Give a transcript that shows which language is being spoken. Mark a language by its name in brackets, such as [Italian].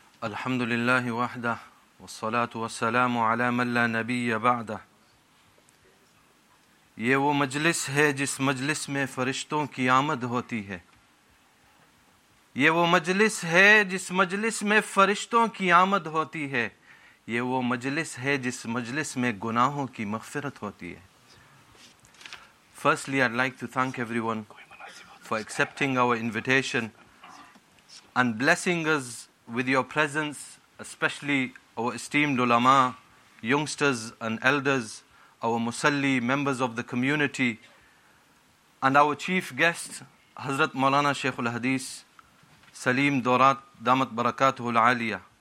[Arabic] الحمد لله وحده والصلاة والسلام على من لا نبي بعده. [Urdu] یہ وہ مجلس ہے جس مجلس میں فرشتوں کی آمد ہوتی ہے. یہ وہ مجلس ہے جس مجلس میں فرشتوں کی آمد ہوتی ہے. یہ وہ مجلس ہے جس مجلس میں گناہوں کی مغفرت ہوتی ہے. [English] Firstly, I'd like to thank everyone for accepting our invitation and blessing us with your presence, especially our esteemed ulama, youngsters and elders, our musalli, members of the community, and our chief guest, Hazrat Maulana Shaykhul Hadith, Salim Dorat Damat Barakatuhul Aliyah.